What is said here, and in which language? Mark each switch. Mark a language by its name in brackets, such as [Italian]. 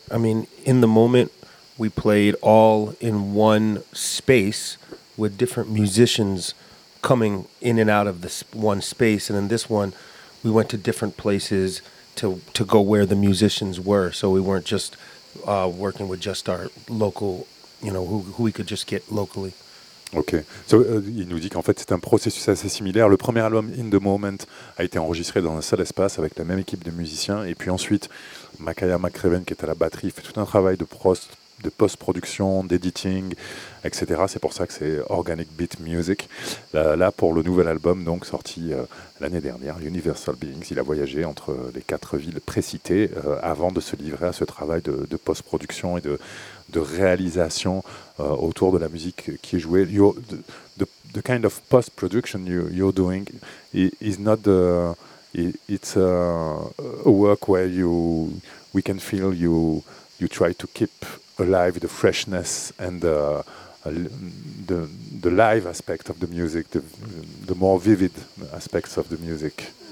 [English] I mean, in the moment, we played all in one space with different musicians coming in and out of this one space. And in this one, we went to different places to go where the musicians were. So we weren't just working with just our local, you know, who we could just get locally. [French] Ok, so, il nous dit qu'en fait c'est un processus assez similaire. Le premier album In The Moment a été enregistré dans un seul espace avec la même équipe de musiciens, et puis ensuite Makaya McCraven, qui est à la batterie, fait tout un travail de post-production, d'editing, etc. C'est pour ça que c'est Organic Beat Music. Là, pour le nouvel album, donc, sorti l'année dernière, Universal Beings, il a voyagé entre les quatre villes précitées avant de se livrer à ce travail de post-production et de réalisation autour de la musique qui est jouée. [English] The kind of post-production you're doing is not the... It's a work where we can feel you try to keep alive the freshness and the live aspect of the music, the more vivid aspects of the music.